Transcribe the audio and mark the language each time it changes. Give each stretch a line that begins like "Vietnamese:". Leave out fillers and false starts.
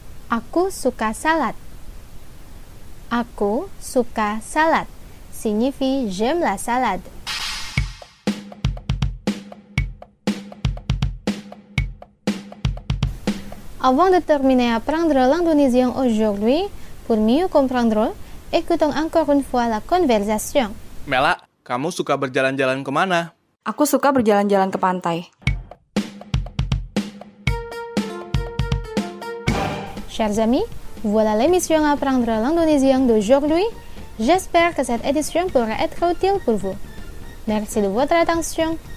Indonesian: Aku suka salad. Aku suka salad
French: signifie j'aime la salade. Avant de terminer apprendre l'indonésien aujourd'hui, pour mieux comprendre, écoutons encore une fois la conversation.
Indonesian: Mela, kamu suka berjalan-jalan kemana? Aku suka berjalan-jalan ke pantai.
French: Chers amis, voilà l'émission apprendre l'indonésien d'aujourd'hui. J'espère que cette édition pourra être utile pour vous. Merci de votre attention.